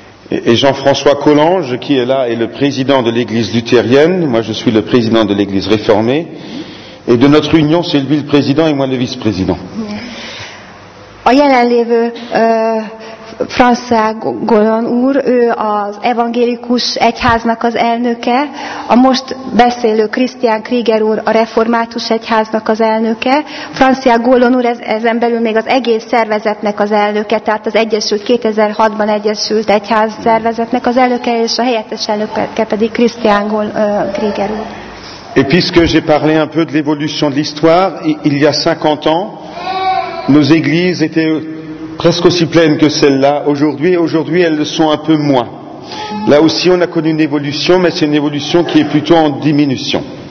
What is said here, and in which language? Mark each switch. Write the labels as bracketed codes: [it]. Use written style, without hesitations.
[fr] Et Jean-François Collange, qui est là, est le président de l'église luthérienne. Moi, je suis le président de l'église réformée. Et de notre union, c'est lui le président et moi le vice-président. [hu] A jelenlévő François Collange úr, ő az evangélikus egyháznak az elnöke. A most beszélő Christian Krieger úr a református egyháznak az elnöke. François Collange úr ezen belül még az egész szervezetnek az elnöke, tehát az Egyesült 2006-ban Egyesült Egyház szervezetnek az elnöke, és a helyettes elnöke pedig Christian Krieger úr. [fr] Et puisque j'ai parlé un peu de l'évolution de l'histoire, il y a 50 ans, nos églises étaient presque aussi pleines que celles-là aujourd'hui, et aujourd'hui elles le sont un peu moins. Là aussi on a connu une évolution, mais c'est une évolution qui est plutôt en diminution.